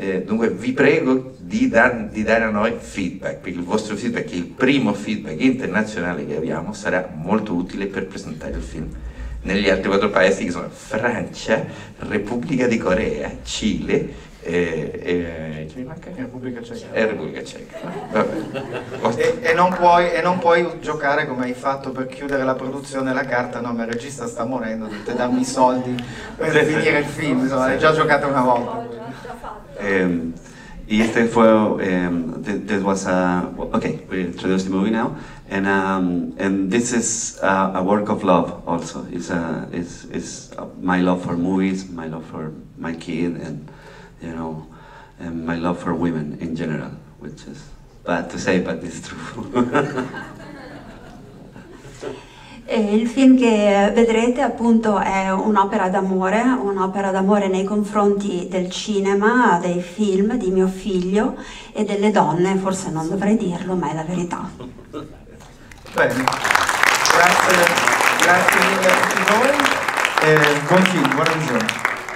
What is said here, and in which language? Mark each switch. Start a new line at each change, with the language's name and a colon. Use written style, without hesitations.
Italian: Dunque vi prego di dare a noi feedback, perché il vostro feedback, il primo feedback internazionale che abbiamo, sarà molto utile per presentare il film negli altri quattro paesi che sono Francia, Repubblica di Corea, Cile e Mi manca la Repubblica Ceca. Repubblica Ceca. Vabbè. E non puoi giocare come hai fatto per chiudere la produzione, la carta, no, ma il regista sta morendo, dovete darmi i soldi per finire il film, insomma, hai già giocato una volta.
Spanish: Y este fue,
English: this was a, okay, we'll introduce the movie now, and this is a work of love also. It's my love for movies, my love for my kid, and you know, and my love for women in general, which is bad to say, but it's true.
Italian: Il film che vedrete appunto è un'opera d'amore nei confronti del cinema, dei film, di mio figlio e delle donne, forse non dovrei dirlo, ma è la verità. Bene, grazie mille a tutti voi e buon film, buona visione.